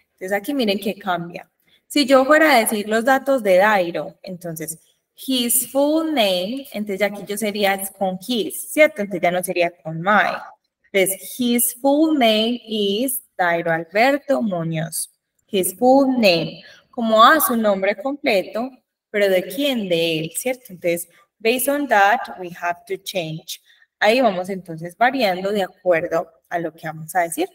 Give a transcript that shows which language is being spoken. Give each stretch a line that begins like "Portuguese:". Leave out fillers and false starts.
Spanish: Entonces aquí miren que cambia. Si yo fuera a decir los datos de Dairo, entonces
English: his full name,
Spanish: entonces aquí yo sería con his, ¿cierto? Entonces ya no sería con my. Entonces
English: his full name is
Spanish: Dairo Alberto Muñoz.
English: His full name,
Spanish: como a su nombre completo, pero ¿de quién? De él, ¿cierto?
English: Entonces, based on that, we have to change.
Spanish: Ahí vamos entonces variando de acuerdo a lo que vamos a decir.